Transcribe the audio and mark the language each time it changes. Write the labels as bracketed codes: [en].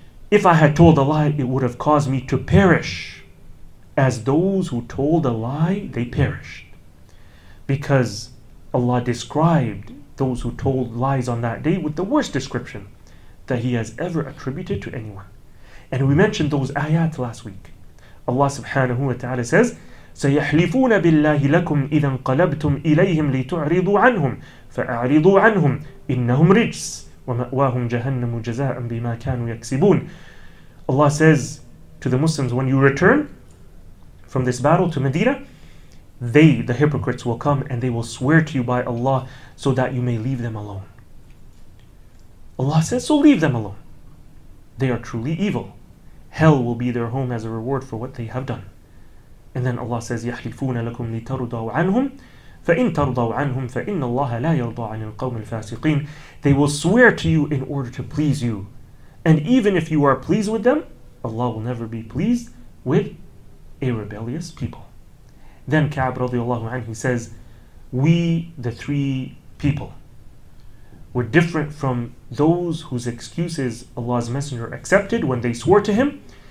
[en] If I had told a lie, it would have caused me to perish as those who told a lie, they perished. Because Allah described those who told lies on that day with the worst description that He has ever attributed to anyone. And we mentioned those ayat last week. Allah subhanahu wa ta'ala says, [ar] سَيَحْلِفُونَ بِاللَّهِ لَكُمْ إِذَا انْقَلَبْتُمْ إِلَيْهِمْ لِتُعْرِضُوا عَنْهُمْ فَأَعْرِضُوا عَنْهُمْ إِنَّهُمْ رِجْسٌ وَمَأْوَاهُمْ جَهَنَّمُ جَزَاءً بِمَا كَانُوا يَكْسِبُونَ. [en] Allah says to the Muslims, when you return from this battle to Medina, they, the hypocrites, will come and they will swear to you by Allah so that you may leave them alone. Allah says, so leave them alone. They are truly evil. Hell will be their home as a reward for what they have done. And then Allah says, [ar] يَحْلِفُونَ لَكُمْ لِتَرُضَوْا عَنْهُمْ فَإِنْ تَرُضَوْا عَنْهُمْ فَإِنَّ اللَّهَ لَا يَرْضَى عَنِ الْقَوْمِ الْفَاسِقِينَ. [en] They will swear to you in order to please you. And even if you are pleased with them, Allah will never be pleased with a rebellious people. Then Ka'b radiallahu anhu says, we, the three people, were different from those whose excuses Allah's Messenger accepted when they swore to him.